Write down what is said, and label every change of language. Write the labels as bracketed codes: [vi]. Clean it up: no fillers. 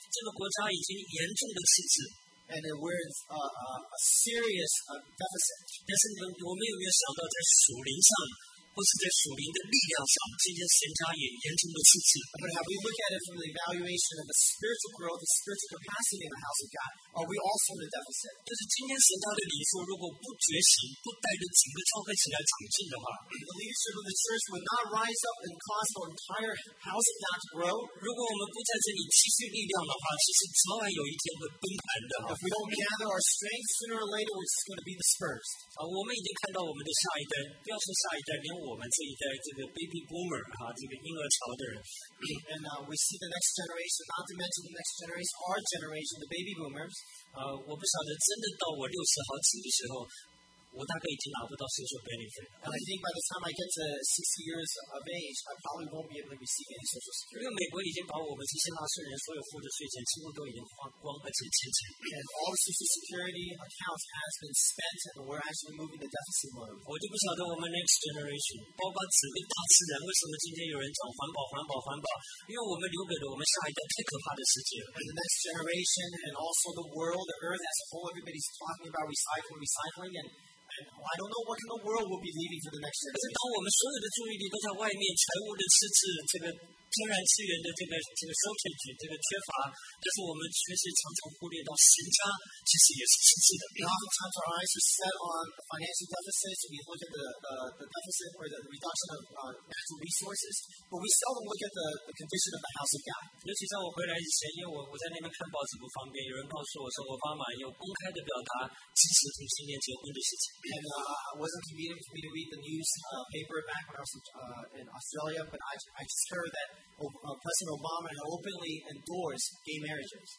[zh] 这个国家已经严重的赤字。 [en] And we're in a serious deficit. [zh] 但是我们有没有想到，在属灵上，或是在属灵的力量上，今天神家也严重的赤字。 [en] But have we looked at it from the evaluation of the spiritual growth, the spiritual capacity in the house of God? Are we also in a deficit? [zh] 就是今天神家的领袖如果不觉醒，不带着整个教会起来长进的话 [en] ，the leadership of the church would not rise up and cause the entire house of God to grow. [zh] 如果我们不在这里积蓄力量的话，其实早晚有一天会崩盘的。 [en] If we don't gather our strength sooner or later, it's going to be dispersed. [zh] 我们已经看到我们的下一代，不要说下一代，连我们这一代这个 baby boomer 哈，这个婴儿潮的人。 [en] And we see the next generation, not to mention the next generation, our generation, the baby boomers. [zh] 我不晓得真的到我六十好几的时候，我大概已经拿不到 [en] social benefit。 And I think by the time I get to 60 years of age, I probably won't be able to receive any social security. [zh] 因为美国已经把我们这些纳税人所有付的税钱几乎都已经花光，而且欠钱。 [en] And all the social security accounts has been spent, and we're actually moving the deficit mode. [zh] 我就不晓得我们 [en] next generation， [zh] 包括整个大自然，为什么今天有人讲环保、环保、环保？因为我们留给了我们下一代最可怕的世界。 [en] And the next generation, and also the world, the earth as a whole, everybody's talking about recycling, recycling, and I don't know what kind of world we'll be leaving for the next generation. [zh] 但是当我们所有的注意力都在外面，财务的赤字，这个天然资源的这个 shortage， 这个缺乏，但是我们确实常常忽略到神家其实也是赤字的。 [en] Oftentimes our eyes are set on financial deficits. We look at the deficit or the reduction of natural resources, but we seldom look at the condition of the house of God. [zh] 尤其在我回来以前，因为我在那边看报纸不方便，有人告诉我说，奥巴马又公开的表达支持同性恋结婚的事情。 [en] And it wasn't convenient for me to read the news paper back when I was in Australia, but I just heard that President Obama had openly endorsed gay marriages.